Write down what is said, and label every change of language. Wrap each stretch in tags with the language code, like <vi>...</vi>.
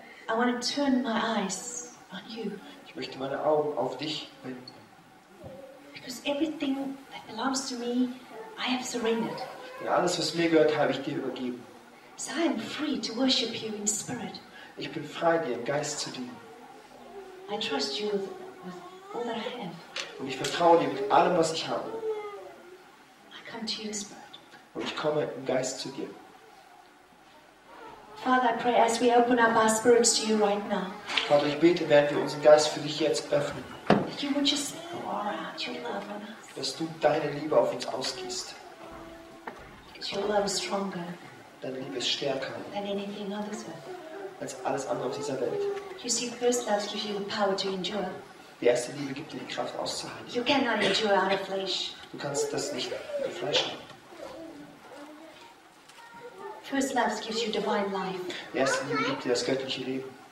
<en>I want to turn my eyes on you.</en> <de>Ich möchte meine Augen auf dich wenden.</de> <en>Because everything that belongs to me, I have surrendered.</en> <de>Denn alles, was mir gehört, habe ich dir übergeben.</de> <en>So I am free to worship you in spirit.</en> <de>Ich bin frei, dir im Geist zu dienen.</de> <en>I trust you with all that I have.</en> <de>Und ich vertraue dir mit allem, was ich habe.</de> <en>I come to you in spirit.</en> <de>Und ich komme im Geist zu dir.</de> <en>Father, I pray as we open up our spirits to you right now.</en> <de>Vater, ich bete, während wir unseren Geist für dich jetzt öffnen.</de> <en>That you would just pour out your love on us.</en> <de>Dass du deine Liebe auf uns ausgießt.</de> <en>Because your love is stronger.</en> <de>Deine Liebe ist stärker.</de> <en>Than anything on this earth.</en> <de>Als alles andere auf dieser Welt.</de> <en>You see, first love gives you the power to endure.</en> <de>Die erste Liebe gibt dir die Kraft auszuhalten.</de> <en>You cannot endure out of flesh.</en> <de>Du kannst das nicht mit Fleisch haben.</de> <en>First love gives you divine life.</en> <de>Die erste Liebe gibt dir das göttliche Leben.</de>